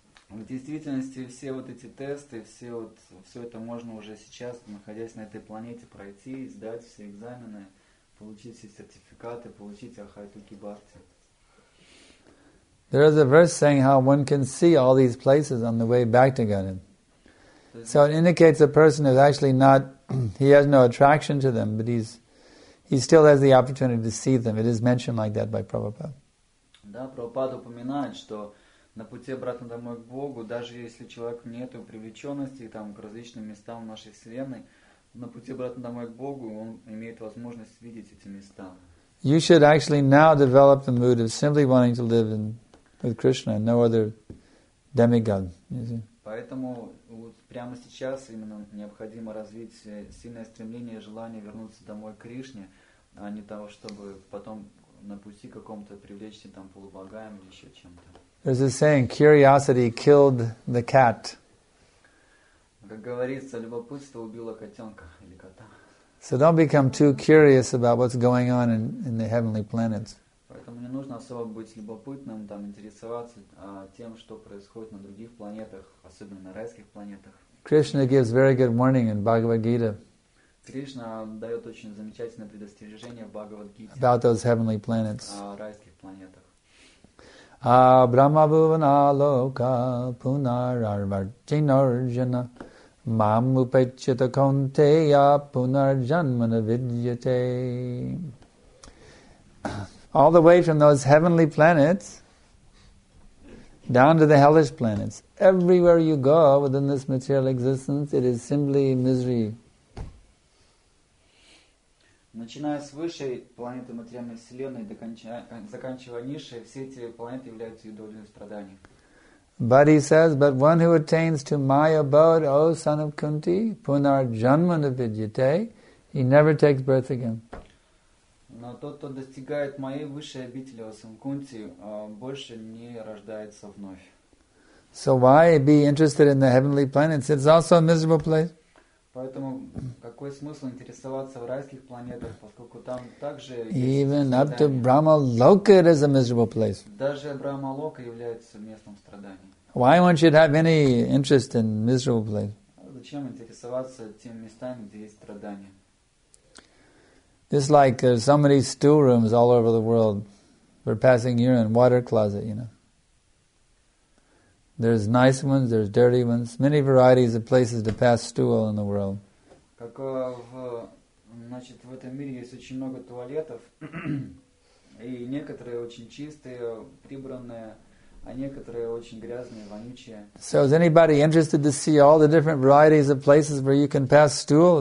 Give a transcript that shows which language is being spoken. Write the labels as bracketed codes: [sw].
[ru] В действительности все вот эти тесты, все вот все это можно уже сейчас, находясь на этой планете, пройти, сдать все экзамены, получить все сертификаты, получить ахайтуки бхакти. [en] There is a verse saying how one can see all these places on the way back to Godhead. So it indicates a person is actually not, he has no attraction to them, but he still has the opportunity to see them. It is mentioned like that by Prabhupada. [ru] Да, Прабхупада упоминает, что на пути обратно домой к Богу, даже если человек нет привлеченности там, к различным местам в нашей вселенной, на пути обратно домой к Богу он имеет возможность видеть эти места. [en] You should actually now develop the mood of simply wanting to live in with Krishna, no other demigod. [ru] Поэтому вот прямо сейчас именно необходимо развить сильное стремление и желание вернуться домой к Кришне, а не того, чтобы потом на пути каком-то привлечься там полубогам или еще чем-то. [en] There's a saying, curiosity killed the cat. [ru] Как говорится, любопытство убило котенка или кота. [en] So don't become too curious about what's going on in the heavenly planets. [ru] Поэтому не нужно особо быть любопытным, там, интересоваться тем, что происходит на других планетах, особенно на райских планетах. [en] Krishna gives very good warning in Bhagavad Gita. [ru] Кришна дает очень замечательное предостережение в Бхагавад Гите. [en] About those heavenly planets. [ru] О райских планетах. [sa] Абрамабхувана лока пунарарвартинарджана мам упечета контея пунарджанмана видьяте. [en] All the way from those heavenly planets down to the hellish planets. Everywhere you go within this material existence, it is simply misery. [ru] Начиная с высшей планеты материальной вселенной, заканчивая низшей, все эти планеты являются удовольствием страданий. [en] But he says, but one who attains to my abode, O son of Kunti, [sa] punarjanmana vidyate, [en] he never takes birth again. [ru] Но тот, кто достигает моей высшей обители, о сын Кунти, больше не рождается вновь. [en] So why be interested in the heavenly planets? It's also a miserable place. [ru] Поэтому какой смысл интересоваться в райских планетах, поскольку там также [en] even up to Brahma Loka is a miserable place. [ru] Даже Брахма Лока является местом страданий. [en] Why won't you have any interest in miserable place? [ru] Зачем интересоваться тем местами, где есть страдания? [en] It's like there's so many stew rooms all over the world for passing urine, water closet, you know. There's nice ones, there's dirty ones, many varieties of places to pass stool in the world. [ru] Как в, значит, в этом мире есть очень много туалетов, и некоторые очень чистые, прибранные, а некоторые очень грязные, вонючие. [en] So is anybody interested to see all the different varieties of places where you can pass stool?